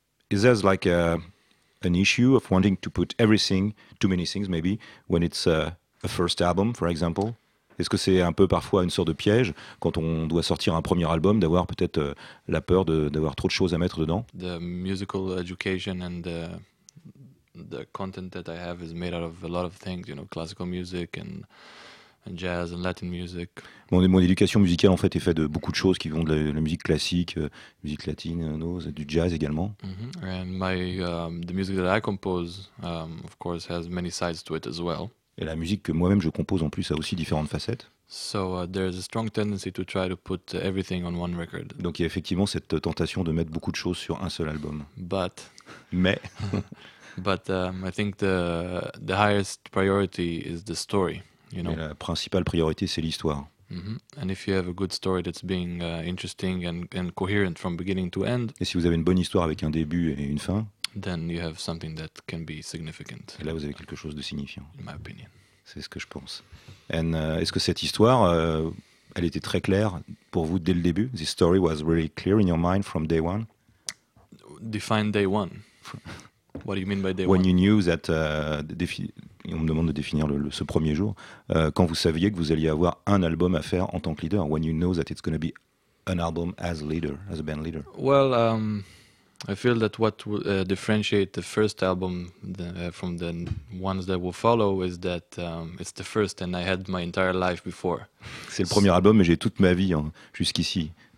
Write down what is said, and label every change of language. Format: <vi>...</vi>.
<en>Is there like an issue of wanting to put everything, too many things maybe, when it's a first album, for example?</en> <fr>Est-ce que c'est un peu parfois une sorte de piège quand on doit sortir un premier album d'avoir peut-être la peur d'avoir trop de choses à mettre dedans?</fr> <en>The musical education and the content that I have is made out of a lot of things, you know, classical music and jazz and Latin music.</en> <fr>Mon éducation musicale en fait est faite de beaucoup de choses qui vont de la musique classique, musique latine, du jazz également. Mm-hmm.</fr> <en>And my the music that I compose of course has many sides to it as well.</en> <fr>Et la musique que moi-même je compose en plus a aussi différentes facettes.</fr> <en>So, there's a strong tendency to try to put everything on one record.</en> <fr>Donc il y a effectivement cette tentation de mettre beaucoup de choses sur un seul album.</fr> <en>But.</en> <fr>Mais.</fr> <en>But I think the highest priority is the story. You know.</en> <fr>Mais la principale priorité c'est l'histoire. Mm-hmm.</fr> <en>And if you have a good story that's being interesting and coherent from beginning to end.</en> <fr>Et si vous avez une bonne histoire avec un début et une fin.</fr> <en>Then you have something that can be significant.</en> <fr>Et là, vous avez quelque chose de signifiant.</fr> <en>In my opinion.</en> <fr>C'est ce que je pense.</fr> <en>And</en> <fr>est-ce que cette histoire, elle était très claire pour vous dès le début?</fr> <en>This story was really clear in your mind from day one? Define day one. What do you mean by day when one? When you knew that,</en> <fr>on me demande de définir ce premier jour, quand vous saviez que vous alliez avoir un album à faire en tant que leader,</fr> <en>when you know that it's going to be an album as a leader, as a band leader? Well, I feel that what will differentiate the first album from the ones that will follow is that it's the first and I had my entire life before.</en> <fr>C'est le premier album mais j'ai toute ma vie jusqu'ici.</fr>